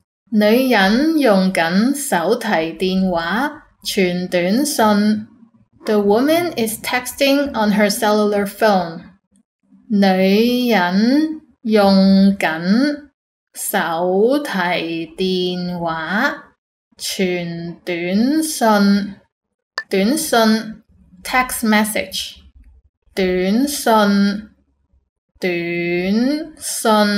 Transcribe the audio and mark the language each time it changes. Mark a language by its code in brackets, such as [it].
[yue] 女人用緊手提電話傳短信。 [en] The woman is texting on her cellular phone. [yue] 女人用緊手提電話傳短信。 [en] 短信 text message. [yue] 短信短信